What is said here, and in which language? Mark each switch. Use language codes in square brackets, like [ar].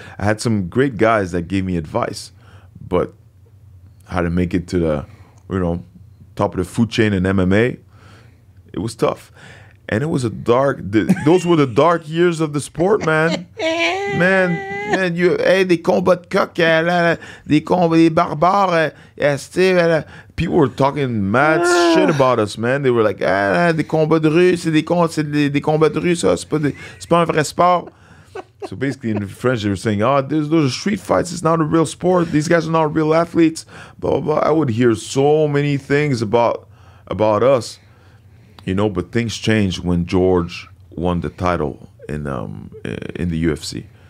[en] I had some great guys that gave me advice, but how to make it to the, you know, top of the food chain in MMA, it was tough. And it was a dark, those were the dark years of the sport, man. Man, you, hey, [fr] des combats de coq, des combats, des barbares, [en] people were talking mad shit about us, man. They were like, [fr] des combats de rue, c'est des combats de rue, ça, c'est pas un vrai sport. [en] So basically, in French, they were saying, oh, those are street fights, it's not a real sport, these guys are not real athletes, blah, blah, blah. I would hear so many things about us. You know, but things changed when George won the title in the UFC.